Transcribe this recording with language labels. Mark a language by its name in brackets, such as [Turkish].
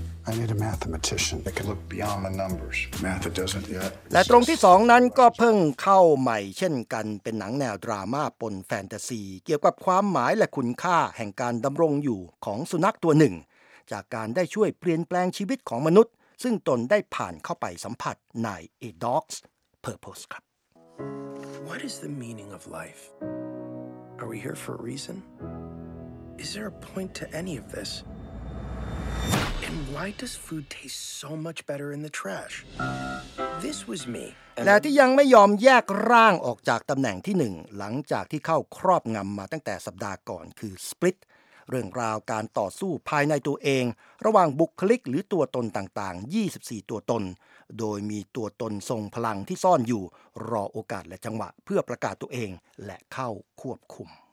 [English] I need a mathematician that can look beyond the numbers math it doesn't yet [Thai] และตรงที่2นั้นก็เพิ่งเข้าใหม่เช่นกันเป็นหนังแนวดราม่าปนแฟนตาซีเกี่ยวกับความหมายและคุณค่าแห่งการดำรงอยู่ของสุนัขตัวหนึ่งจากการได้ช่วยเปลี่ยนแปลงชีวิตของมนุษย์ซึ่งตนได้ผ่านเข้าไปสัมผัสใน A Dog's Purpose ครับ [English] What is the meaning of life? Are we here for a reason? Is there a point to any of this? And why does food taste so much better in the trash? This was me. [Thai] และที่ยังไม่ยอมแยกร่างออกจากตำแหน่งที่1หลังจากที่เข้าครอบงำมาตั้งแต่สัปดาห์ก่อนคือ Splitเรื่องราวการต่อสู้ภายในตัวเองระหว่างบุคลิกหรือตัวตนต่างๆ24ตัวตนโดยมีตัวตนทรงพลังที่ซ่อนอยู่รอโอกาสและจังหวะเพื่อประกาศตัวเองและเข้าควบคุม